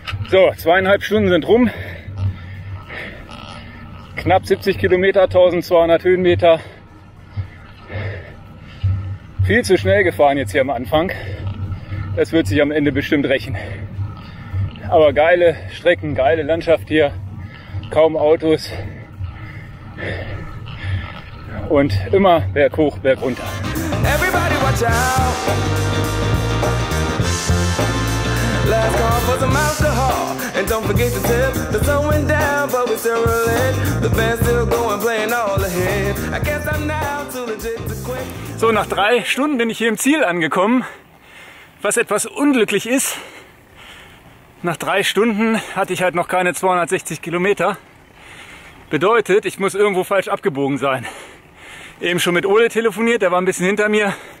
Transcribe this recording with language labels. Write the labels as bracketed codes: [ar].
[de] So, 2,5 Stunden sind rum, knapp 70 Kilometer, 1200 Höhenmeter, viel zu schnell gefahren jetzt hier am Anfang, das wird sich am Ende bestimmt rächen, aber geile Strecken, geile Landschaft hier, kaum Autos und immer berghoch, bergunter. [en] Everybody watch out. Last call for some alcohol. And don't forget the tip. The sun went down, but we still roll it. The band's still going, playing all the hits. I guess I'm now too legit to quit. [de] So, nach 3 Stunden bin ich hier im Ziel angekommen. Was etwas unglücklich ist. Nach 3 Stunden hatte ich halt noch keine 260 Kilometer. Bedeutet, ich muss irgendwo falsch abgebogen sein. Eben schon mit Ole telefoniert, der war ein bisschen hinter mir.